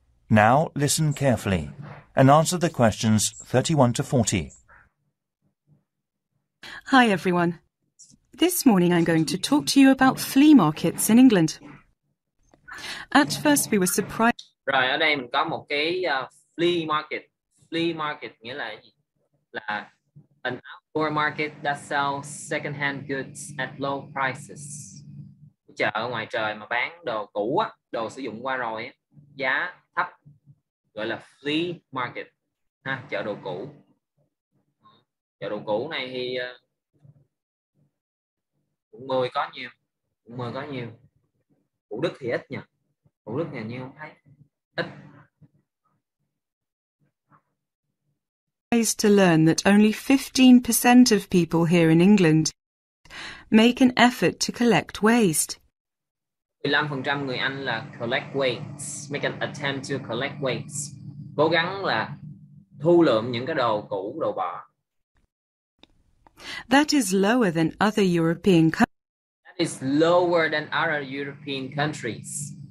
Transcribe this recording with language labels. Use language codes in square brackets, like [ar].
[en] Now listen carefully and answer the questions 31 to 40. Hi everyone. This morning I'm going to talk to you about flea markets in England. At first we were surprised. [vi] Rồi ở đây mình có một cái flea market. Flea market nghĩa là gì? [en] Là an outdoor market that sells second-hand goods at low prices. [vi] Chợ ở ngoài trời mà bán đồ cũ á, đồ sử dụng qua rồi á, giá thấp, gọi là flea market ha, chợ đồ cũ. Chợ đồ cũ này thì quận 10 có nhiều, quận 10 có nhiều. Thủ Đức thì ít nhỉ. Thủ Đức nhà nhiêu không thấy. Ít. [en] Nice to learn that only 15% of people here in England make an effort to collect waste. [vi] 15% người Anh là [en] collect waste, make an attempt to collect waste, [vi] cố gắng là thu lượm những cái đồ cũ, đồ bỏ. [en] That is lower than other European countries. That is lower than other European countries.